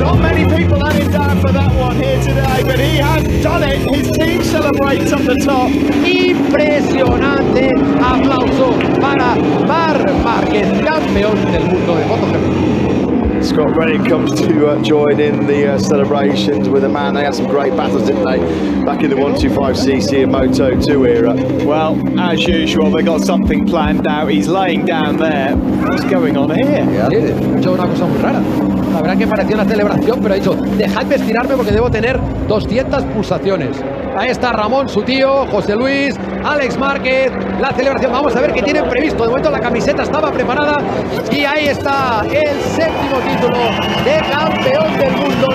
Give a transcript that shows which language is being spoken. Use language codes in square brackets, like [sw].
[en] Not many people had him down for that one here today, but he has done it. His team celebrates up the top. [es] Impresionante aplauso para Marc Márquez, campeón del mundo de MotoGP. [en] Scott Redding comes to join in the celebrations with a man. They had some great battles, didn't they, back in the 125cc and Moto2 era. Well, as usual, they got something planned out. He's laying down there. What's going on here? [es] Yeah. Una cosa muy rara. La verdad que pareció una celebración, pero ha dicho, dejadme estirarme porque debo tener 200 pulsaciones. Ahí está Ramón, su tío, José Luis, Alex Márquez, la celebración. Vamos a ver qué tienen previsto. De momento la camiseta estaba preparada y ahí está el séptimo título de campeón del mundo.